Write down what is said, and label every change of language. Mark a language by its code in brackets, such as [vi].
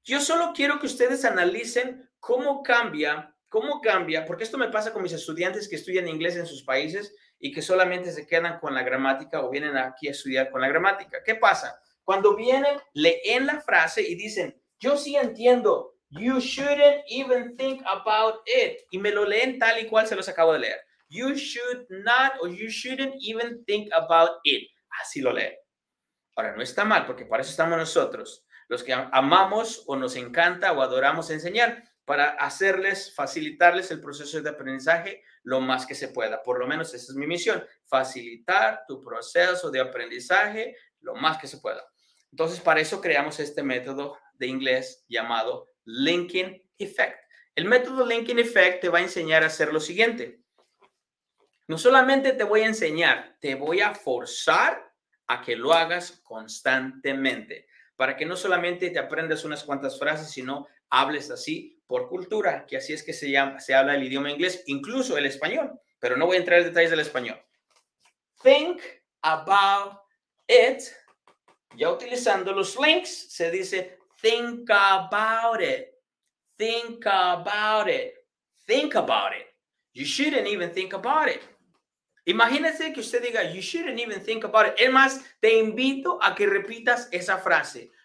[es] Yo solo quiero que ustedes analicen cómo cambia, porque esto me pasa con mis estudiantes que estudian inglés en sus países y que solamente se quedan con la gramática o vienen aquí a estudiar con la gramática. ¿Qué pasa? Cuando vienen, leen la frase y dicen, yo sí entiendo. [en] You shouldn't even think about it. [es] Y me lo leen tal y cual se los acabo de leer. [en] You should not or you shouldn't even think about it. [es] Así lo leen. Ahora, no está mal, porque para eso estamos nosotros, los que amamos o nos encanta o adoramos enseñar, para hacerles, facilitarles el proceso de aprendizaje lo más que se pueda. Por lo menos esa es mi misión, facilitar tu proceso de aprendizaje lo más que se pueda. Entonces, para eso creamos este método de inglés llamado Linking Effect. El método Linking Effect te va a enseñar a hacer lo siguiente. No solamente te voy a enseñar, te voy a forzar a que lo hagas constantemente para que no solamente te aprendas unas cuantas frases, sino hables así por cultura, que así es que se habla el idioma inglés, incluso el español. Pero no voy a entrar en detalles del español. [en] Think about it. [es] Ya utilizando los links, se dice [en] think about it, think about it, think about it. You shouldn't even think about it. [es] Imagínese que usted diga, [en] you shouldn't even think about it. [es] Es más, te invito a que repitas esa frase.